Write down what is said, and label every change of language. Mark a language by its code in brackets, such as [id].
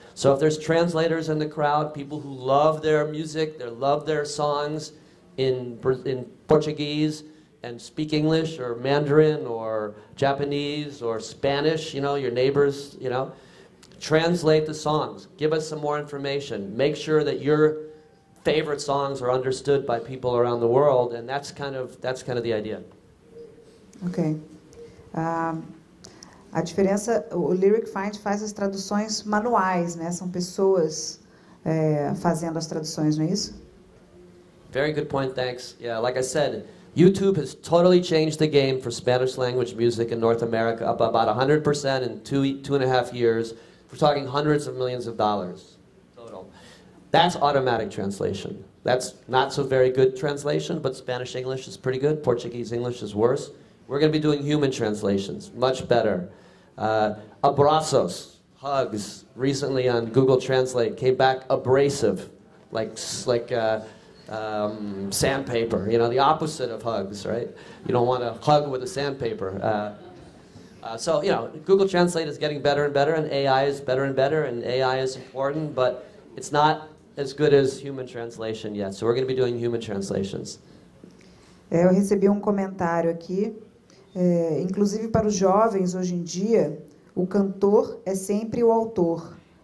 [en] So if there's translators in the crowd, people who love their music, they love their songs in Portuguese and speak English or Mandarin or Japanese or Spanish, you know, your neighbors, you know, translate the songs. Give us some more information. Make sure that your favorite songs are understood by people around the world, and that's kind of the idea. Okay. [pt] A diferença, o Lyric Find faz as traduções manuais, né? São pessoas fazendo as traduções, não é isso? [en] Very good point, thanks. Yeah, like I said, YouTube has totally changed the game for Spanish language music in North America, up about 100% in two and a half years. We're talking hundreds of millions of dollars total. That's automatic translation. That's not so very good translation, but Spanish English is pretty good. Portuguese English is worse. We're going to be doing human translations, much better. Abraços, hugs, recently on Google Translate came back abrasive, like sandpaper, you know, the opposite of hugs, right? You don't want to hug with a sandpaper. So, you know, Google Translate is getting better and better, and AI is better and better, and AI is important, but it's not as good as human translation yet. So we're going to be doing human translations. [pt] Eu recebi comentário aqui. Inclusive para os jovens hoje em dia, o cantor é sempre o autor.